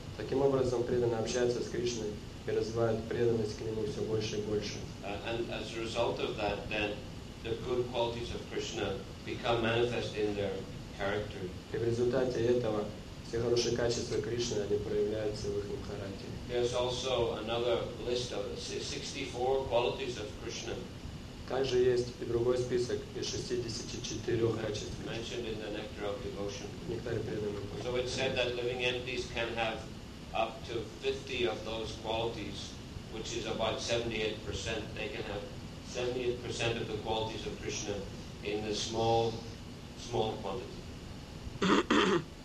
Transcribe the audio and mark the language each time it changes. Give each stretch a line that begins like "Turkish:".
Russian: Таким образом, преданные общаются с Кришной и развивают преданность к Нему все больше и больше.
English: And as a result of that, then the good qualities of Krishna become manifest in their character.
Russian: И в результате этого все хорошие качества Кришны, они проявляются в их характере.
English: There's also another list of 64 qualities of Krishna.
Russian: Также есть и другой список из 64 качеств.
English: Mentioned in the Nectar of Devotion.
Russian: Нектаре преданного.
English: So it's said that living entities can have up to 50 of those qualities, which is about 78%. They can have 78% of the qualities of Krishna in the small quantity.